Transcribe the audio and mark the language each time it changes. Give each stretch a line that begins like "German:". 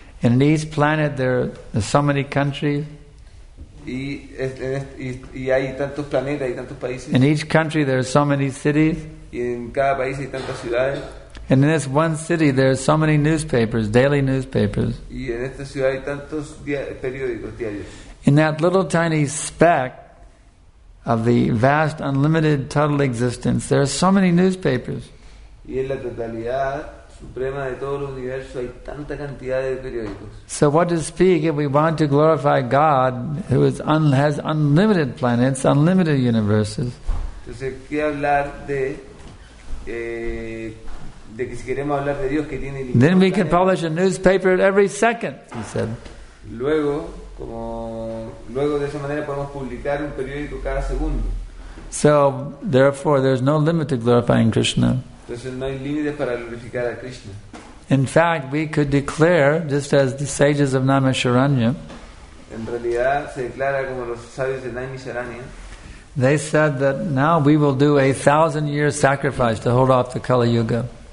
English: And in each planet there are so many countries.
Spanish: Y hay tantos planetas y tantos países.
English: In each country there are so many cities.
Spanish: Y en cada país hay tantas ciudades.
English: And in this one city there are so many newspapers, daily newspapers.
Spanish: Y en esta ciudad hay tantos periódicos diarios.
English: In that little tiny speck of the vast, unlimited, total existence, there are so many newspapers.
Spanish: Y en la totalidad suprema de todo el universo hay tanta cantidad de periódicos.
English: So what to speak if we want to glorify God who is has unlimited planets, unlimited universes.
Spanish: Entonces, ¿qué hablar de que si queremos hablar de Dios que tiene ilimitados?
English: Then we can publish a newspaper every second, he said.
Spanish: Luego de esa manera podemos publicar un periódico cada segundo.
English: So, therefore, there's no limit to glorifying Krishna.
Spanish: Entonces, no hay límite para glorificar a Krishna.
English: In fact, we could declare, just as the sages of Naimisharanya,
Spanish: en realidad, se declara como los sabios de Naimisharanya,
English: they said that now we will do a 1,000-year sacrifice to hold off the Kali Yuga.